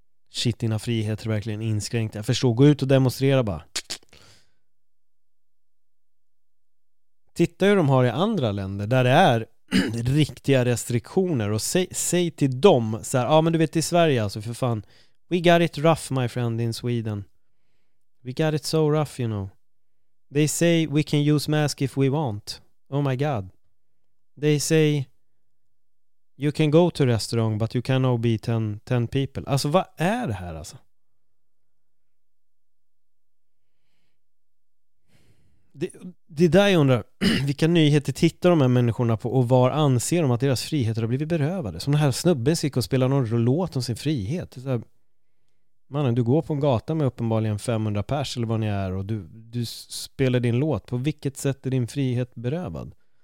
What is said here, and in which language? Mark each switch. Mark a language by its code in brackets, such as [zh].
[sv] Shit, dina friheter är verkligen inskränkt. Jag förstår, gå ut och demonstrera bara. Titta hur de har i andra länder där det är riktiga restriktioner. Och säg till dem så här, men du vet, i Sverige alltså, för fan, [en] we got it rough my friend in Sweden. We got it so rough, you know. They say we can use mask if we want. Oh my god. They say you can go to restaurant but you cannot be 10 people. [sv] Alltså, vad är det här alltså? Det är där jag undrar, vilka nyheter tittar de här människorna på och var anser de att deras friheter har blivit berövade? Som den här snubben som gick och spelade någon låt om sin frihet. Så här, mannen, du går på en gata med uppenbarligen 500 pers eller vad ni är, och du spelar din låt. På vilket sätt är din frihet berövad?